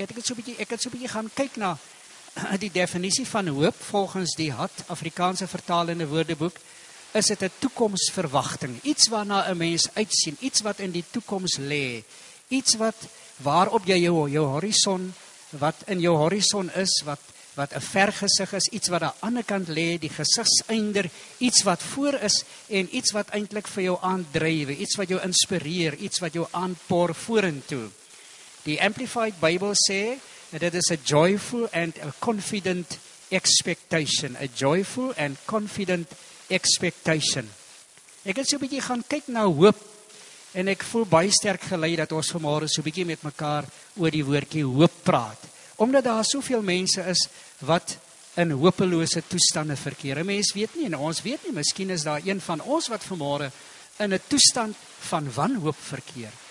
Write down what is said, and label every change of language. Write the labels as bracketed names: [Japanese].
[Afrikaans] Ek het so 'n bietjie gaan kyk na die definisie van hoop volgens die HAT, Afrikaanse vertalende woordeboek, is dit 'n toekomsverwagting, iets waarna 'n mens uitsien, iets wat in die toekoms lê, iets wat waarop jy jou horison, wat in jou horison is, wat 'n vergesig is, iets wat aan die ander kant lê, die gesigseinder, iets wat voor is en iets wat eintlik vir jou aandryf, iets wat jou inspireer, iets wat jou aanpoor vorentoe. Die Amplified Bible sê [English] that it is a joyful and a confident expectation, a joyful and confident expectation. [Afrikaans] Ek het so 'n bietjie gaan kyk na hoop en ek voel baie sterk gelei dat ons vanmôre so 'n bietjie met mekaar oor die woordjie hoop praat. Omdat daar soveel mense is wat in hopelose toestande verkeer. Een mens weet nie, en ons weet nie, miskien is daar een van ons wat vanmôre in 'n toestand van wanhoop verkeer.